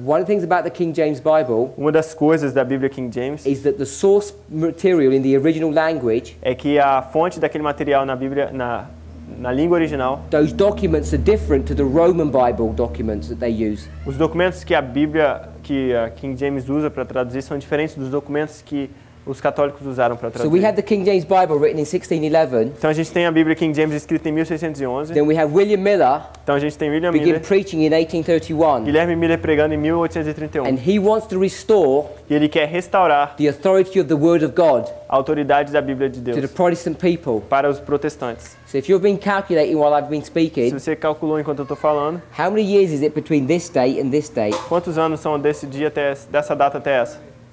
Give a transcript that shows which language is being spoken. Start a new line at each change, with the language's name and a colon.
English: One of the things about the King James Bible.
Portuguese: Uma das coisas da Bíblia King James.
English: Is that the source material in the original language.
Portuguese: É que a fonte daquele material na Bíblia na língua original.
English: Those documents are different to the Roman Bible documents that they use.
Portuguese: Os documentos que a Bíblia que a King James usa para traduzir são diferentes dos documentos que os católicos usaram para traduzir.
English: So we have the King James Bible written in 1611.
Portuguese: Então a gente tem a Bíblia King James escrita em 1611.
English: Then we have William Miller.
Portuguese: Então a gente tem William Miller.
English: Begin preaching in 1831.
Portuguese: Guilherme Miller pregando em 1831.
English: And he wants to restore.
Portuguese: E ele quer restaurar.
English: The authority of the Word of God.
Portuguese: A autoridade da Bíblia de Deus.
English: To the Protestant people.
Portuguese: Para os protestantes.
English: So if you've been calculating while I've been speaking.
Portuguese: Se você calculou enquanto eu estou falando.
English: How many years is it between this date and this date?
Portuguese: Quantos anos são desse dia até dessa data até essa?